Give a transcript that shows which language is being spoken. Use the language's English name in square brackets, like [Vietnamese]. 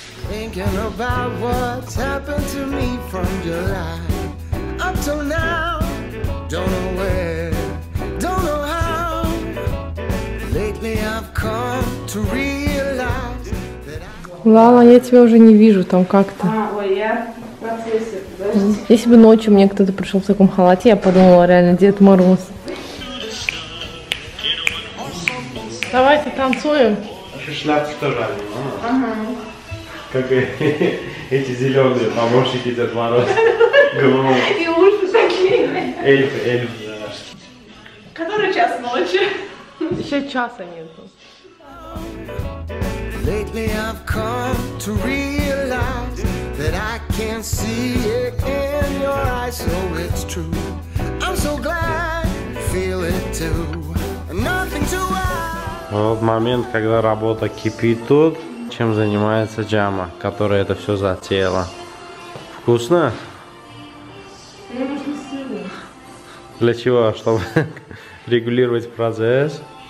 [English] Thinking about what's happened to me from July up till now. Don't know where, don't know how. Lately I've come to realize that I... [Russian] Лала, я тебя уже не вижу там как-то. Если бы ночью мне кто-то пришел в таком халате, я подумала, реально, Дед Мороз. Давайте танцуем. Шляпки тоже они, ага. Как эти зеленые помощники Дед Мороз. И уши такие. Эльф, эльф, да. Который час ночи. Еще часа нету. [English] Lately I've come to realize that I can't see it in your eyes. So it's true. I'm so glad you feel it too. Nothing to hide. [Russian] Вот момент, когда работа кипит тут. Чем занимается Джама, которая это все затеяла? Вкусно? Мне нужно силы. Для чего? Чтобы регулировать процесс?